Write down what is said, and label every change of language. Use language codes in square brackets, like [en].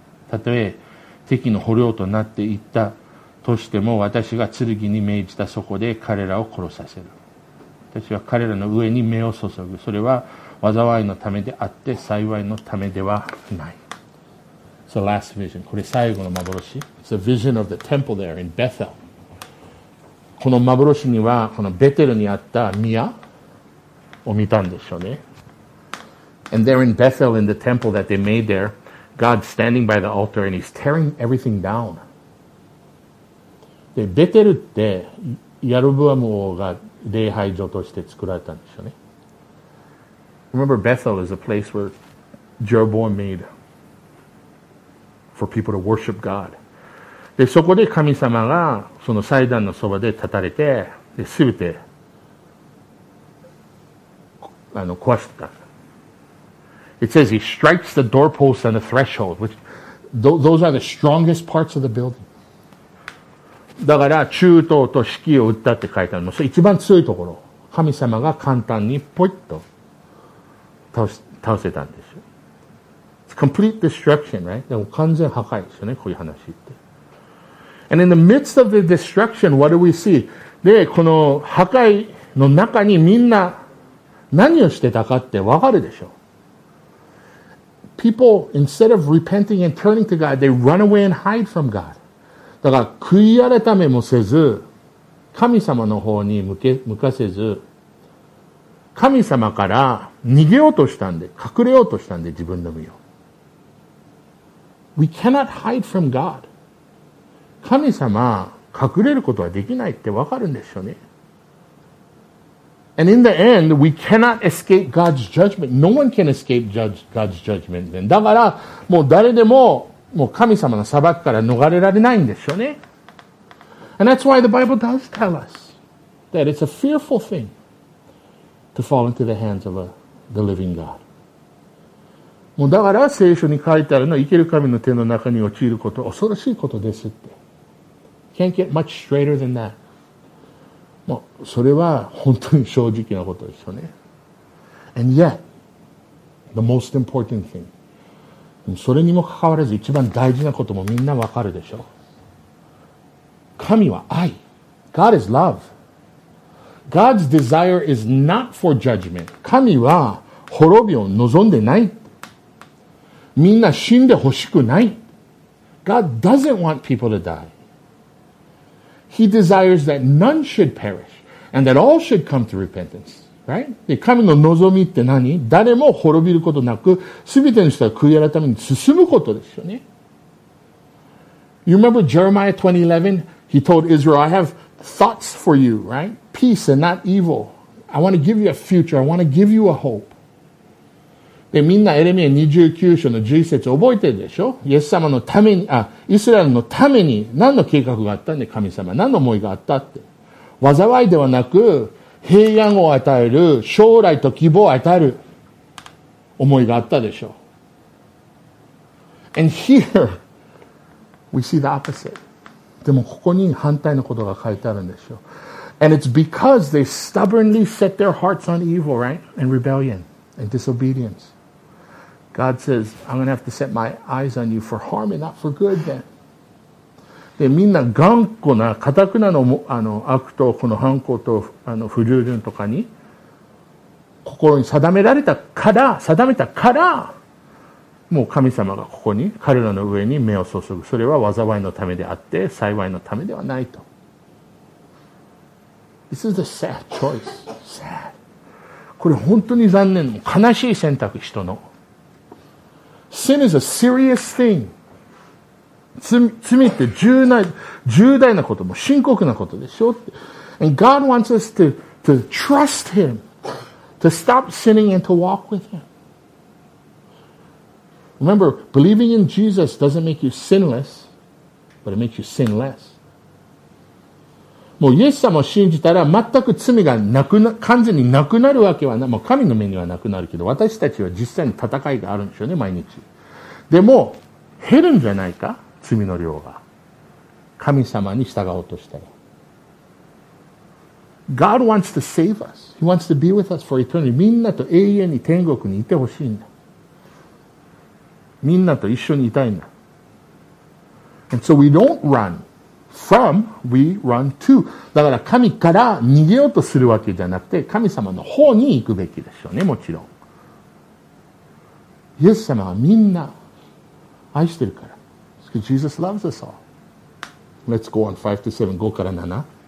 [ja] たとえ敵の捕虜となっていったとしても、私が剣に命じたそこで彼らを殺させる。私は彼らの上に目を注ぐ。それは災いのためであって、幸いのためではない。 [en] It's the last vision. [ja] これ最後の幻。 [en] It's a vision of the temple there in Bethel. [ja] この幻には、このベテルにあった宮を見たんでしょうね。 [en] And there in Bethel, in the temple that they made there, God's standing by the altar and he's tearing everything down. [ja] で、ベテルってヤロブアム王が礼拝所として作られたんでしょうね。 [en] Remember, Bethel is a place where Jeroboam made for people to worship God. [ja] で、そこで神様がその祭壇のそばで立たれて、で、すべて壊してた。 [en] It says he strikes the doorpost and the threshold, which those are the strongest parts of the building. [ja] だから中東と式を打ったって書いてあります。一番強いところ、神様が簡単にポイッと倒せたんですよ。 [en] It's complete destruction, right? [ja] でも完全破壊ですよね、こういう話って。 [en] And in the midst of the destruction, what do we see? [ja] で、この破壊の中にみんな何をしてたかってわかるでしょ。 [en] People, instead of repenting and turning to God, they run away and hide from God. [ja] だから、悔い改めもせず、神様の方に向かせず、神様から逃げようとしたんで、隠れようとしたんで、自分の身を。 [en] We cannot hide from God. [ja] 神様、隠れることはできないってわかるんですよね。 [en] And in the end, we cannot escape God's judgment. No one can escape God's judgment. Then, [ja] だからもう誰でももう神様の裁きから逃れられないんでしょうね。 [en] And that's why the Bible does tell us that it's a fearful thing to fall into the hands of the living God. [ja] もうだから聖書に書いてあるのは生きる神の手の中に落ちること恐ろしいことですって。 [en] Can't get much straighter than that. [ja] もうそれは本当に正直なことですよね。 [en] And yet, the most important thing. [ja] それにもかかわらず一番大事なこともみんなわかるでしょう。神は愛。 [en] God is love. God's desire is not for judgment. [ja] 神は滅びを望んでない。みんな死んでほしくない。 [en] God doesn't want people to die. He desires that none should perish and that all should come to repentance. Right? [ja] で、神の望みって何? 誰も滅びることなく、すべての人が悔い改めに進むことですよね。 [en] You remember Jeremiah 20:11? He told Israel, I have thoughts for you, right? Peace and not evil. I want to give you a future. I want to give you a hope. [ja] で、みんなエレミア29章の11節覚えてるでしょ? イエス様のために、イスラエルのために何の計画があったんで神様何の思いがあったって災いではなく平安を与える将来と希望を与える思いがあったでしょう。 [en] And here we see the opposite. [ja] でもここに反対のことが書いてあるんでしょう。 [en] And it's because they stubbornly set their hearts on evil, right? And rebellion and disobedience. God says, I'm going to have to set my eyes on you for harm and not for good then. [ja] で、みんな頑固な、かたくなの、悪と、この反抗と、不従順とかに、心に定められたから、定めたから、もう神様がここに、彼らの上に目を注ぐ。それは災いのためであって、幸いのためではないと。 [en] This is a sad choice. Sad. [ja] これ本当に残念。悲しい選択、人の。 [en] Sin is a serious thing. [ja] 罪って重大なことも深刻なことでしょって。 [en] And God wants us to trust Him, to stop sinning and to walk with Him. Remember, believing in Jesus doesn't make you sinless, but it makes you sinless. [ja] もうイエス様を信じたら全く罪がなくな、完全になくなるわけはない。もう神の目にはなくなるけど、私たちは実際に戦いがあるんでしょうね、毎日。でも、減るんじゃないか罪の量が。神様に従おうとしたら。 [en] God wants to save us. He wants to be with us for eternity. [ja] みんなと永遠に天国にいてほしいんだ。みんなと一緒にいたいんだ。 [en] And so we don't run from, we run to. [ja] だから神から逃げようとするわけじゃなくて、神様の方に行くべきでしょうね、もちろん。イエス様はみんな、愛してるから。 [en] Jesus loves us all. Let's go on 5 to 7, [ja] 5から7。